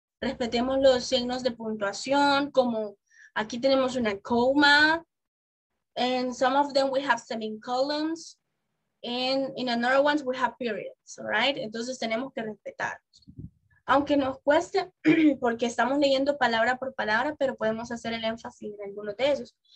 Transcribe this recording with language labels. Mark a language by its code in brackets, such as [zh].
[es] Respetemos los signos de puntuación, como aquí tenemos una coma. [en] And some of them we have semicolons. And in another ones we have periods, right? [es] Entonces tenemos que respetarlos. Aunque nos cueste, porque estamos leyendo palabra por palabra, pero podemos hacer el énfasis en algunos de esos.